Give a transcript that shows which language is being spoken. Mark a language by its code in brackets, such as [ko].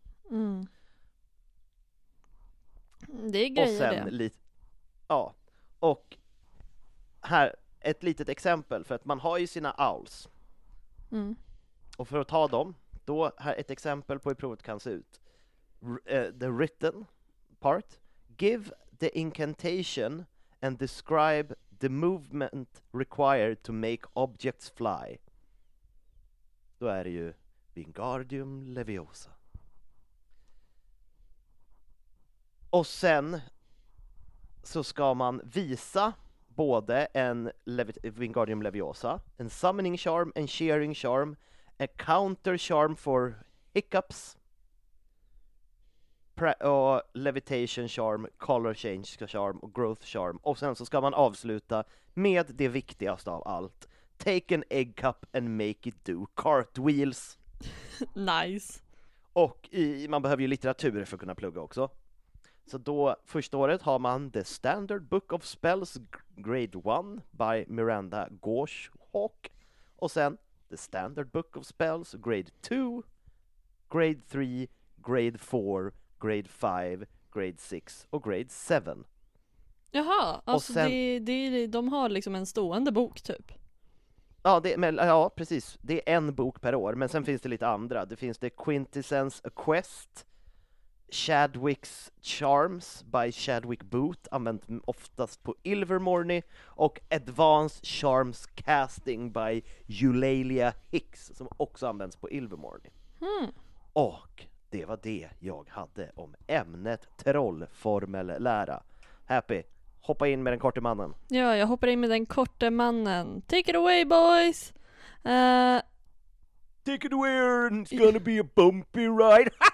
[sv] Mm. Det är grejer. Och sen lite, ja. Och här ett litet exempel för att man har ju sina owls. Mm. Och för att ta dem, då här ett exempel på hur provet kan se ut. [en] The written part, give the incantation and describe the movement required to make objects fly. [sv] Då är det ju Wingardium Leviosa. Och sen så ska man visa både en Wingardium Leviosa, en summoning charm, en shearing charm, a counter charm for hiccups, och levitation charm, color change charm och growth charm. Och sen så ska man avsluta med det viktigaste av allt. [en] Take an egg cup and make it do cartwheels. Nice. [sv] Och man behöver ju litteratur för att kunna plugga också. Så då, första året har man The Standard Book of Spells Grade 1 by Miranda Gorshawk. Och sen The Standard Book of Spells Grade 2, Grade 3, Grade 4, Grade 5, Grade 6 och Grade 7. Jaha, alltså sen, de har liksom en stående bok typ. Ja, det, men, ja, precis. Det är en bok per år, men sen finns det lite andra. Det finns The Quintessence A Quest, Chadwick's Charms by Chadwick Booth, använt oftast på Ilvermorny, och Advanced Charms Casting by Eulalia Hicks som också används på Ilvermorny. Hmm. Och det var det jag hade om ämnet trollformellära. Happy, hoppa in med den korte mannen. Ja, jag hoppar in med den korte mannen. [en] Take it away, boys! Take it away, and it's gonna be a bumpy ride!